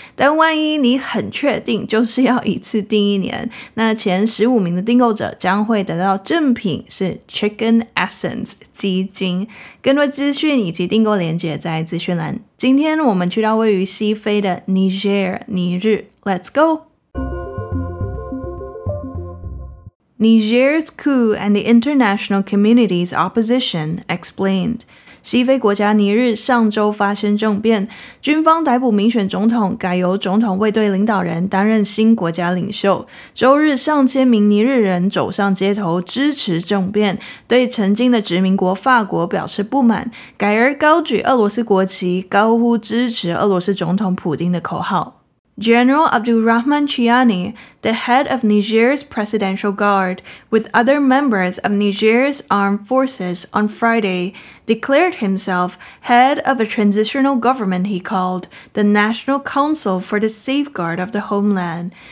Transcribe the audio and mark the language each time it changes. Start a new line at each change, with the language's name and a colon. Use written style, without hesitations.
Chinese: 但万一你很确定就是要一次订一年，那前15名的订购者将会得到赠品，是 Chicken Essence 鸡精。更多资讯以及订购连结在资讯栏。今天我们去到位于西非的尼日尔，尼日。
English: Let's go! Niger's coup and the international community's opposition explained.
Chinese: 西非国家尼日上周发生政变，军方逮捕民选总统，改由总统卫队领导人担任新国家领袖。周日，上千名尼日人走上街头支持政变，对曾经的殖民国法国表示不满，改而高举俄罗斯国旗，高呼支持俄罗斯总统普丁的口号。
English: General Abdulrahman Chiani, the head of Niger's Presidential Guard, with other members of Niger's armed forces on Friday, declared himself head of a transitional government he called the National Council for the Safeguard of the Homeland.